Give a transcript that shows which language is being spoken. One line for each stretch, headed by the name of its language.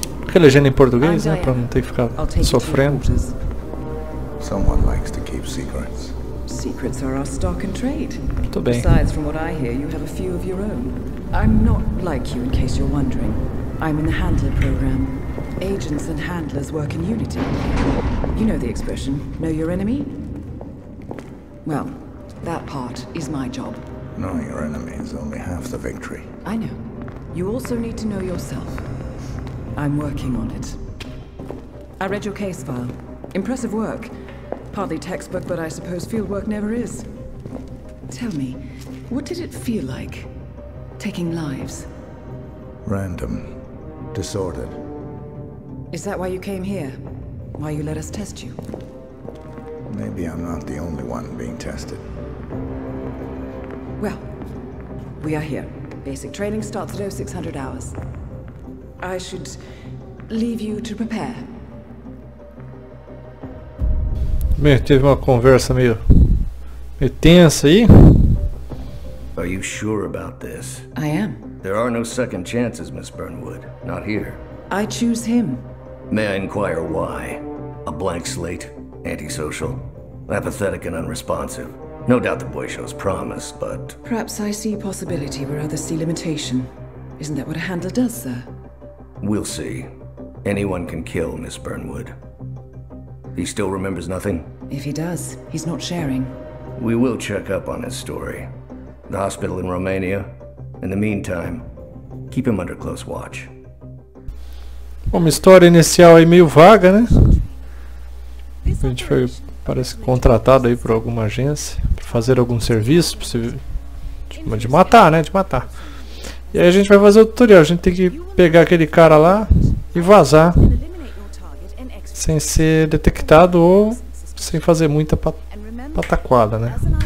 Portuguese: Que legenda em português, né? Para não ter que ficar sofrendo.
English: Someone likes to keep secrets. Secrets are our stock and trade.
Portuguese: Muito bem.
English: Besides, from what I hear, you have a few of your own. I'm not like you, in case you're wondering. I'm in the handler program. Agents and handlers work in unity. You know the expression, know your enemy? Well, that part is my job. Knowing your enemy is only half the victory. I know. You also need to know yourself. I'm working on it. I read your case file. Impressive work. Partly textbook, but I suppose field work never is. Tell me, what did it feel like? Taking lives? Random. Disordered. Is that why you came here? Why you let us test you? Maybe I'm not the only one being tested. Well, we are here. Basic training starts at 0600 hours. I should leave you to prepare.
Portuguese: Bem, teve uma conversa meio tensa aí.
English: Are you sure about this? I am. There are no second chances, Miss Burnwood. Not here. I choose him. May I inquire why? A blank slate? Antisocial? Apathetic and unresponsive? No doubt the boy shows promise, but... Perhaps I see possibility where others see limitation. Isn't that what a handler does, sir? We'll see. Anyone can kill Miss Burnwood. He still remembers nothing? If he does, he's not sharing. We will check up on his story. The hospital in Romania. In the meantime, keep him under close watch.
Portuguese: Uma história inicial aí meio vaga, né? A gente foi, parece, contratado aí por alguma agência para fazer algum serviço, possível, de matar, né? De matar. E aí a gente vai fazer o tutorial. A gente tem que pegar aquele cara lá e vazar sem ser detectado ou sem fazer muita pataquada, né?